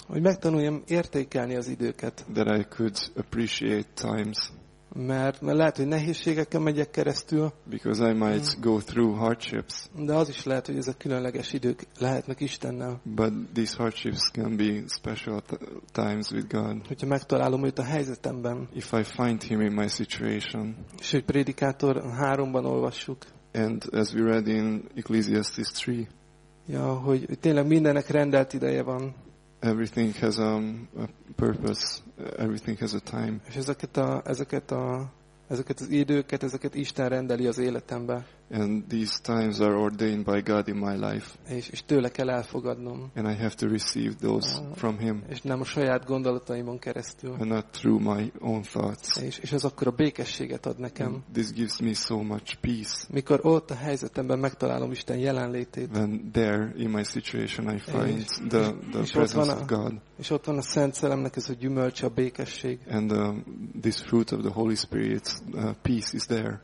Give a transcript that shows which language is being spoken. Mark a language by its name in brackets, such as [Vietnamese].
[Hungarian] Hogy megtanuljam értékelni az időket. [English] That I could appreciate times. [Hungarian] Mert lehet, hogy nehézségekkel megyek keresztül. [English] Because I might go through hardships. [Hungarian] De az is lehet, hogy ezek különleges idők lehetnek Istennel. [English] But these hardships can be special times with God. [Hungarian] Hogyha megtalálom őt a helyzetemben. [English] If I find him in my situation. [Hungarian] És hogy Prédikátor 3-ban olvassuk. [English] And as we read in Ecclesiastes 3. [Hungarian] Ja, hogy tényleg mindennek rendelt ideje van. [English] Everything has a purpose. Everything has a time. [Hungarian] És ezeket az időket, ezeket Isten rendeli az életembe. [English] And these times are ordained by God in my life. [Hungarian] És tőle kell elfogadnom. [English] And I have to receive those from Him. [Hungarian] És nem a saját gondolataimon keresztül. [English] And not through my own thoughts. [Hungarian] És ez akkor a békességet ad nekem. [English] And this gives me so much peace. [Hungarian] Mikor ott a helyzetemben megtalálom Isten jelenlétét. [English] When there in my situation I find the presence of God. [Hungarian] És ott van a Szent Szellemnek ez a gyümölcse, a békesség. [English] And this fruit of the Holy Spirit, peace is there.